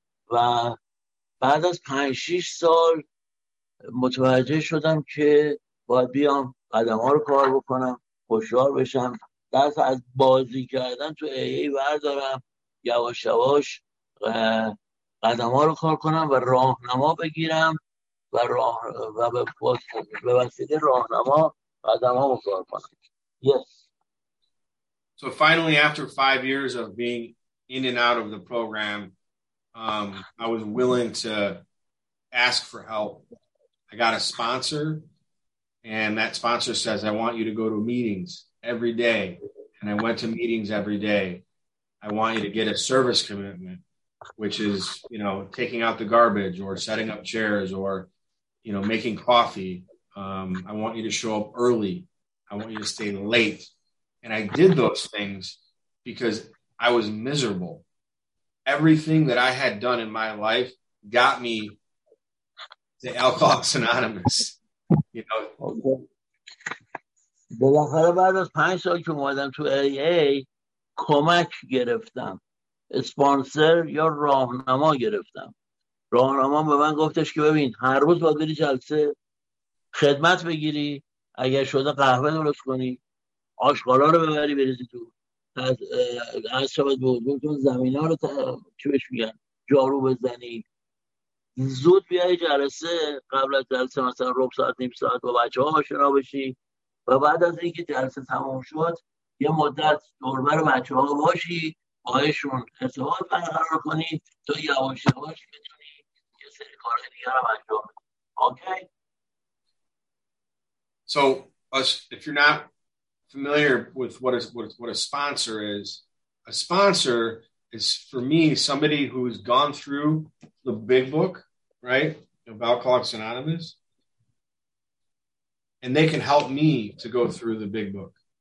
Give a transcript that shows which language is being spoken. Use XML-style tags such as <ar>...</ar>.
<fa>و بعد از 5-6 سال متوجه شدم که باید بیام قدم ها رو کار بکنم، خوشحال بشم، دست از بازی کردن تو ای ای بردارم، یواش یواش قدم ها رو کار کنم و راهنما بگیرم و راه و به وسیله راهنما قدم ها رو کار کنم.</fa> <en>Yes. So finally, after 5 years of being in and out of the program, I was willing to ask for help. I got a sponsor, and that sponsor says, I want you to go to meetings every day. And I went to meetings every day. I want you to get a service commitment, which is, you know, taking out the garbage or setting up chairs or, you know, making coffee. I want you to show up early. I want you to stay late. And I did those things because I was miserable. Everything that I had done in my life got me to Alcoholics Anonymous. You know.</en> <fa>بالاخره بعد از 5 سال که اومدم تو AA کمک گرفتم، اسپانسر یا راهنما گرفتم. راهنما به من گفتش که ببین هر روز باید بری جلسه خدمت بگیری، اگر شده قهوه درست کنی، آشغالا رو ببری بریزی تو، از شبت به حضورتون زمین ها رو چی بهش میگن جارو بزنی، زود بیای جلسه، قبل از جلسه مثلا ربع ساعت نیم ساعت با بچه ها آشنا بشی، و بعد از اینکه جلسه تمام شد یه مدت دوربر بچه ها باشی، باهاشون ارتباط برقرار کنی تا یواش یواش بتونی یه سری کارهای دیگه رو انجام بدی.</fa> <en>Okay. So if you not familiar with what a sponsor is, a sponsor is for me somebody who's gone through the big book, right, of Alcoholics Anonymous, and they can help me to go through the big book.</en>